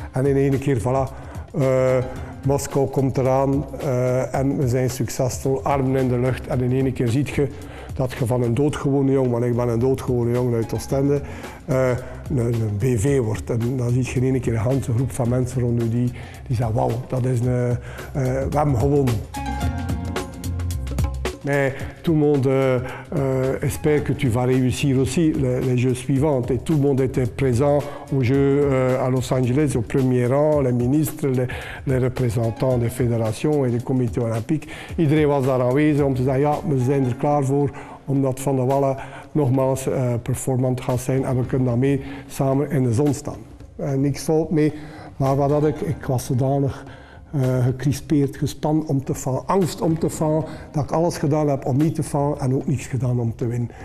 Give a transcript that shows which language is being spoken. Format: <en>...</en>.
<nl>En in één keer, voilà, Moskou komt eraan en we zijn succesvol, armen in de lucht, en in één keer ziet je dat je van een doodgewone jongen, want ik ben een doodgewone jongen uit Oostende, een BV wordt. En dan zie je in één keer een hele groep van mensen rond je die zeggen, wauw, dat is een... we hebben gewonnen.</nl> <fr>Mais tout le monde espère que tu vas réussir aussi les Jeux suivants. Et tout le monde était présent aux Jeux à Los Angeles, au premier rang, les ministres, les représentants des fédérations et des comités olympiques.</fr> <nl>Iedereen was daar aanwezig om te zeggen, ja, we zijn er klaar voor, omdat Van der Wallen nogmaals performant gaat zijn en we kunnen daarmee samen in de zon staan. Niks valt mee, maar wat had ik? Ik was zodanig gekrispeerd, gespannen om te falen, angst om te falen, dat ik alles gedaan heb om niet te falen en ook niets gedaan om te winnen.</nl>